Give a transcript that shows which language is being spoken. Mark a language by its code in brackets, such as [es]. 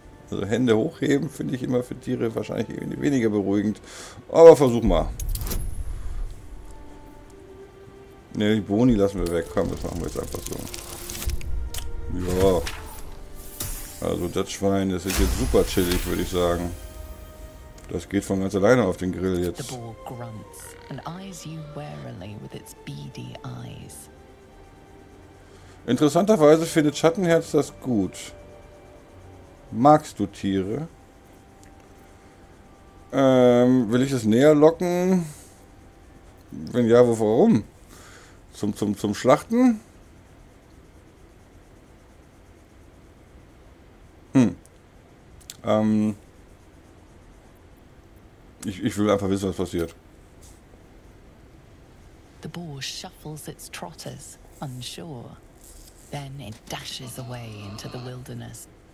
[de] Also Hände hochheben finde ich immer für Tiere wahrscheinlich weniger beruhigend. Aber versuch mal. Ne, die Boni lassen wir weg. Komm, das machen wir jetzt einfach so. Ja. Also das Schwein, das ist jetzt super chillig, würde ich sagen. Das geht von ganz alleine auf den Grill jetzt. [en] The boar grunts and eyes you warily with its beady eyes. [de] Interessanterweise findet Schattenherz das gut. Magst du Tiere? Will ich es näher locken? Wenn ja, wo, warum? Zum Schlachten? Ich will einfach wissen, was passiert. [en] The boar shuffles its trotters, unsure. Then it dashes away into the wilderness.